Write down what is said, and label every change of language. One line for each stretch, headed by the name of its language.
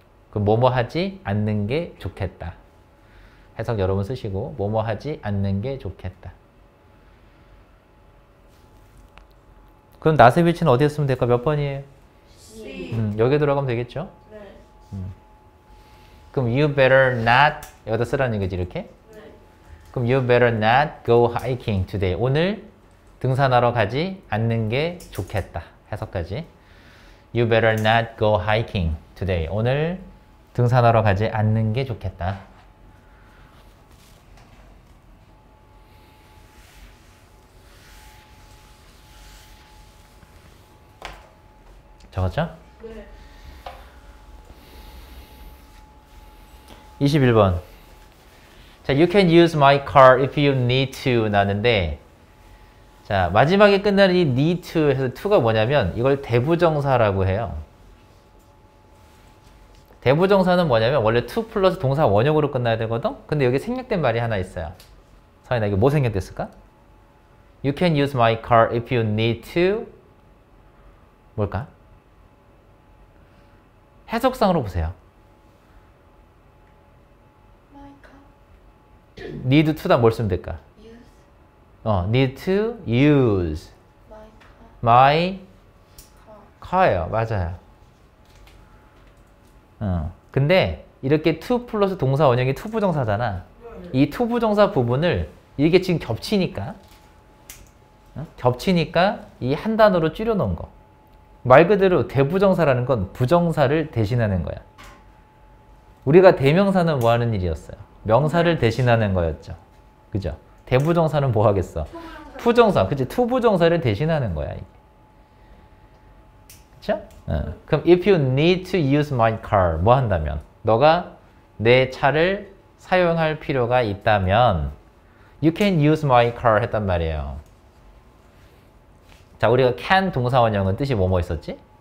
Korean: 그 뭐뭐 하지 않는 게 좋겠다. 해석 여러 번 쓰시고 뭐뭐 하지 않는 게 좋겠다. 그럼 낫의 위치는 어디에 쓰면 될까? 몇 번이에요? C. 여기에 들어가면 되겠죠? 네. 그럼
English: you better not
Korean: 여기다 쓰라는 거지 이렇게?
English: 그럼 you better not go hiking today.
Korean: 오늘 등산하러 가지 않는 게 좋겠다. 해석까지.
English: You better not go hiking today.
Korean: 오늘 등산하러 가지 않는 게 좋겠다. 적었죠? 네. 21번. 자,
English: you can use my car if you need to
Korean: 나는데 자, 마지막에 끝나는 이 need to 해서 to가 뭐냐면 이걸 대부정사라고 해요. 대부정사는 뭐냐면 원래 to 플러스 동사 원형으로 끝나야 되거든? 근데 여기 생략된 말이 하나 있어요. 서인아, 이게 뭐 생략됐을까?
English: You can use my car if you need to
Korean: 뭘까? 해석상으로 보세요. need to다 뭘 쓰면 될까?
English: use. need to use my car.
Korean: 요 맞아요. 근데 이렇게 to 플러스 동사 원형이 to 부정사잖아. 이 to 부정사 부분을 이게 지금 겹치니까 겹치니까 이 한 단어로 줄여놓은 거. 말 그대로 대부정사라는 건 부정사를 대신하는 거야. 우리가 대명사는 뭐 하는 일이었어요? 명사를 대신하는 거였죠. 그죠? 대부정사는 뭐 하겠어? 투부정사. 부정사. 그치? 투부정사를 대신하는 거야. 그쵸? 그럼
English: if you need to use my car,
Korean: 뭐 한다면? 너가 내 차를 사용할 필요가 있다면
English: you can use my car
Korean: 했단 말이에요. 자, 우리가 can 동사원형은 뜻이 뭐뭐 있었지?